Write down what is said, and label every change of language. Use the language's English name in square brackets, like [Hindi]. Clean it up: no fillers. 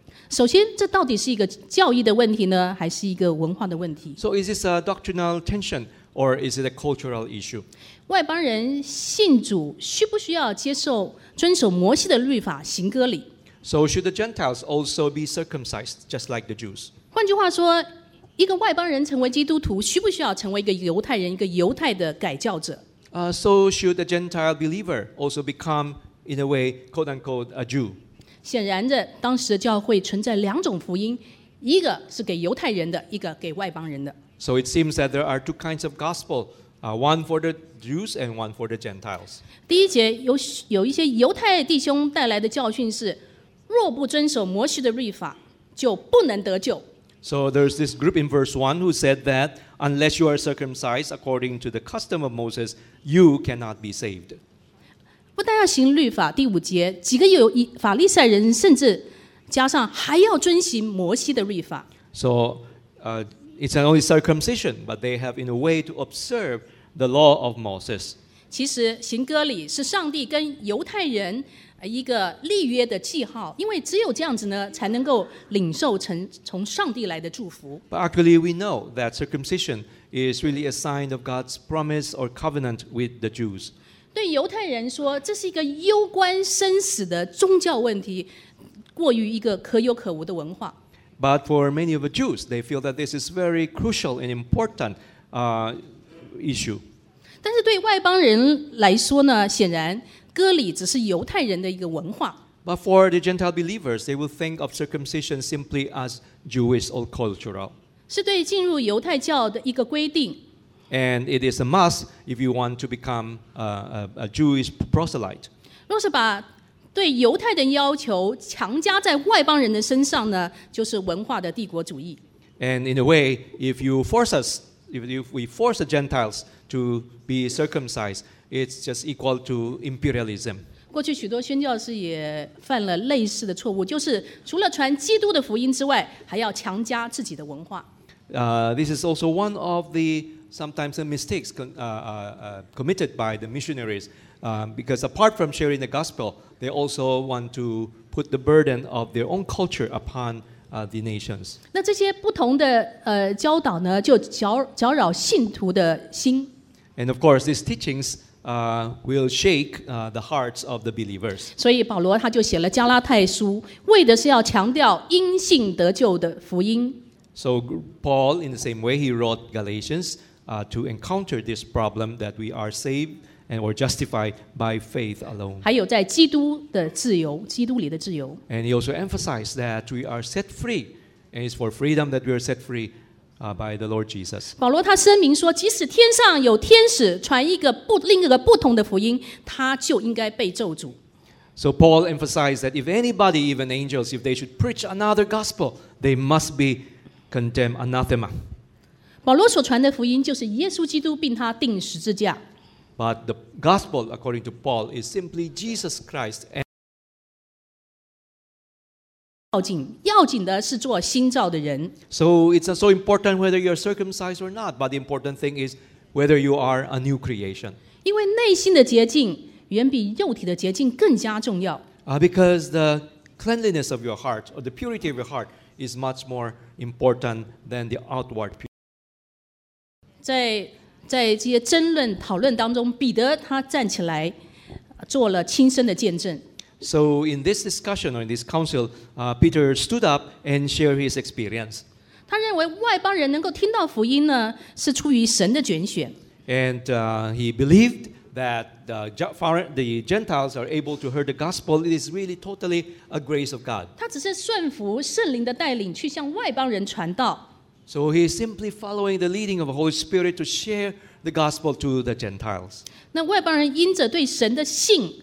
[Chinese] 首先，这到底是一个教义的问题呢，还是一个文化的问题 [English] ？So is this a doctrinal tension or is it a cultural issue? [Chinese] 外邦人信主需不需要接受遵守摩西的律法行割礼 [English] ？So should the Gentiles also be circumcised just like the Jews? [Chinese] 换句话说。一个外邦人成为基督徒，需不需要成为一个犹太人，一个犹太的改教者？ [English] So should a Gentile believer also become, in a way, quote unquote, a Jew? [Chinese] 显然的，当时的教会存在两种福音，一个是给犹太人的，一个给外邦人的。 [English] So it seems that there are two kinds of gospel, one for the Jews and one for the Gentiles. [Chinese] 第一节有一些犹太弟兄带来的教训是：若不遵守摩西的律法，就不能得救。 [English] So there's this group in verse 1 who said that unless you are circumcised according to the custom of Moses, you cannot be saved. [Chinese] 不但要行律法，第五节，几个有法利赛人甚至加上还要遵行摩西的律法。 [English] So it's not only circumcision, but they have in a way to observe the law of Moses. [Chinese] 其实行割礼是上帝跟犹太人一个立约的记号，因为只有这样子呢，才能够领受从上帝来的祝福。 [English] But actually, we know that circumcision is really a sign of God's promise or covenant with the Jews. [Chinese] 对犹太人说，这是一个攸关生死的宗教问题，过于一个可有可无的文化。 [English] But for many of the Jews, they feel that this is very crucial and important issue. [Chinese] 但是对外邦人来说呢，显然。割礼只是犹太人的一个文化。 [English] But for the Gentile believers, they will think of circumcision simply as Jewish or cultural. [Chinese] 是对进入犹太教的一个规定。 [English] And it is a must if you want to become a Jewish proselyte. [Chinese] 若是把对犹太的要求强加在外邦人的身上呢，就是文化的帝国主义。 [English] And in a way, if we force the Gentiles to be circumcised. It's just equal to imperialism. [Chinese] 过去许多宣教士也犯了类似的错误，就是除了传基督的福音之外，还要强加自己的文化。 [English] This is also one of the sometimes the mistakes committed by the missionaries, because apart from sharing the gospel, they also want to put the burden of their own culture upon the nations. [Chinese] 那这些不同的教导呢，就搅扰信徒的心。 [English] And of course, these teachings. Will shake the hearts of the believers. [Chinese] 所以保罗他就写了加拉太书，为的是要强调因信得救的福音。 [English] So Paul, in the same way, he wrote Galatians to encounter this problem that we are saved and or justified by faith alone. [Chinese] 还有在基督的自由，基督里的自由。 [English] And he also emphasized that we are set free, and it's for freedom that we are set free. By the Lord Jesus. [Chinese] 保罗他声明说，即使天上有天使传另一个不同的福音，他就应该被咒诅。 [English] So Paul emphasized that if anybody, even angels, if they should preach another gospel, they must be condemned anathema. [Chinese] 保罗所传的福音就是耶稣基督并他钉十字架。 [English] But the gospel, according to Paul, is simply Jesus Christ. And [Chinese] 要紧的是做新造的人。 [English] So it's not so important whether you're circumcised or not, but the important thing is whether you are a new creation. [Chinese] 因为内心的洁净远比肉体的洁净更加重要。 [English] Because the cleanliness of your heart, or the purity of your heart, is much more important than the outward purity. [Chinese] 在这些争论讨论当中, 彼得他站起来, 做了亲身的见证。 [English] So in this discussion, or in this council, Peter stood up and shared his experience. [Chinese] 他认为外邦人能够听到福音呢, 是出于神的拣选。 [English] And he believed that the Gentiles are able to hear the gospel. It is really totally a grace of God. [Chinese] 他只是顺服圣灵的带领去向外邦人传道。 [English] So he is simply following the leading of the Holy Spirit to share the gospel to the Gentiles. [Chinese] 那外邦人因着对神的信,